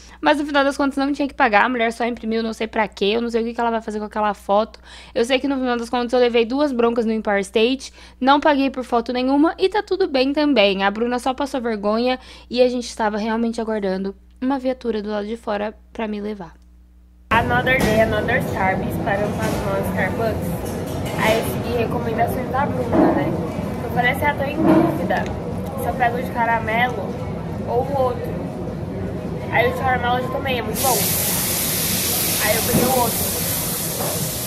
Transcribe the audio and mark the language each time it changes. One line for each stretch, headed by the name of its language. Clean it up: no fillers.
Portuguese: Mas no final das contas não tinha que pagar. A mulher só imprimiu, não sei pra quê. Eu não sei o que ela vai fazer com aquela foto. Eu sei que no final das contas eu levei duas broncas no Empire State. Não paguei por foto nenhuma. E tá tudo bem também. A Bruna só passou vergonha. E a gente estava realmente aguardando uma viatura do lado de fora pra me levar.
English: Another day, another Starbucks.
Portuguese: Para um passo no Starbucks. Aí eu segui recomendações da Bruna, né? Então parece que ela tá em dúvida. Só pego de caramelo ou o outro. Aí o de caramelo eu tomei, é muito bom. Aí eu peguei o outro.